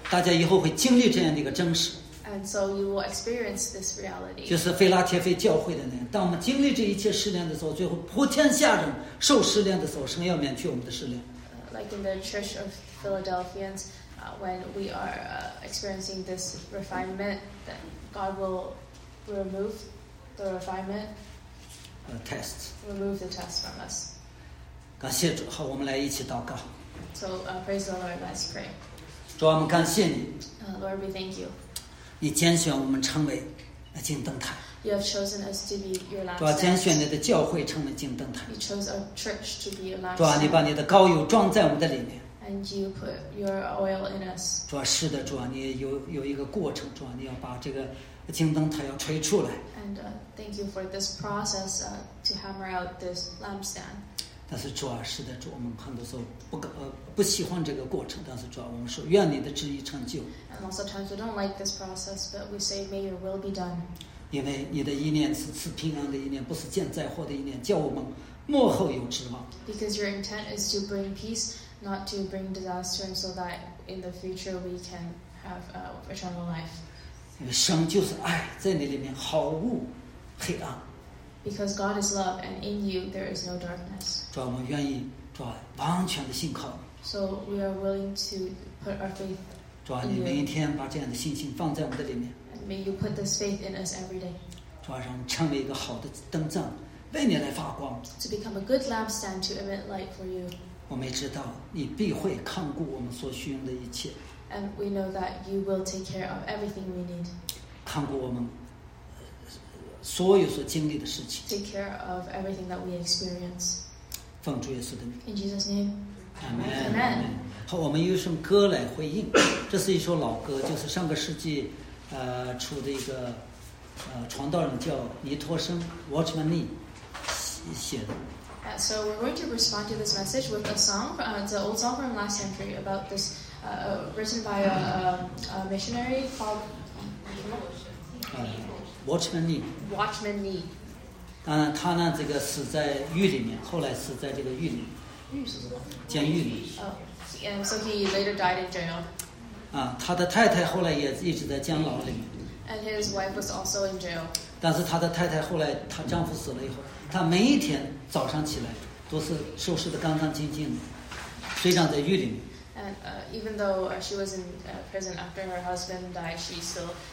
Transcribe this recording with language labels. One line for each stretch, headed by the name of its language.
Chinese: 大家以后会经历这样的一个真实。
English: And so you will experience this reality.
Chinese: 就是腓拉帖腓教会的那样，当我们经历这一切试炼的时候，最后普天下人受试炼的时候，神要免去我们的试炼。
English: Like in the Church of Philadelphians, when we are experiencing this refinement, then God will remove the refinement. Test. Remove the test from us.
Chinese: 感谢主，好，我们来一起祷告。
English: So, praise the Lord, let's pray.
Chinese: 主，我们感谢你。
English: Lord, we thank you.
Chinese: 你拣选我们成为金灯台。
English: You have chosen us to be your light.
Chinese: 主，拣选你的教会成为金灯台。
English: You chose our church to be your light.
Chinese: 主，你把你的膏油装在我们的里面。
English: And you put your oil in us.
Chinese: 主，是的，主，你有一个过程，主，你要把这个金灯台要吹出来。
English: And thank you for this process to hammer out this lampstand.
Chinese: 但是主啊，是的，主，我们很多时候不喜欢这个过程。但是主啊，我们说愿你的旨意成就。
English: And also times we don't like this process, but we say may your will be done.
Chinese: 因为你的意念是赐平安的意念，不是见灾祸的意念，叫我们末后有指望。
English: Because your intent is to bring peace, not to bring disaster, and so that in the future we can have eternal life.
Chinese: 因为神就是爱，在你里面毫无黑暗。
English: Because God is love, and in you there is no darkness.
Chinese: 主，我们愿意，主，完全的信靠。
English: So we are willing to put our faith.
Chinese: 主，你每一天把这样的信心放在我们的里面。
English: And may you put this faith in us every day.
Chinese: 主，让我们成为一个好的灯盏，为你来发光。
English: To become a good lampstand to emit light for you.
Chinese: 我们知道你必会看顾我们所需用的一切。
English: And we know that you will take care of everything we need.
Chinese: 看顾我们。所有所经历的事情。
English: Take care of everything that we experience.
Chinese: 奉主耶稣的名。
English: In Jesus' name. Amen. Amen.
Chinese: 好，我们用一首歌来回应。这是一首老歌，就是上个世纪，出的一个，传道人叫尼托生 Watchman Nee 写的。
English: So we're going to respond to this message with a song, it's an old song from last century about this, written by a missionary called. Watchman Nee. Watchman Nee.
Chinese: 当然，他呢，这个死在狱里面，后来死在这个狱里，监狱里。
English: Oh, and so he later died in jail.
Chinese: 啊，他的太太后来也一直在监牢里面。
English: And his wife was also in jail.
Chinese: 但是他的太太后来，他丈夫死了以后，他每一天早上起来都是收拾的干干净净的，虽然在狱里面。
English: And even though she was in prison after her husband died, she still.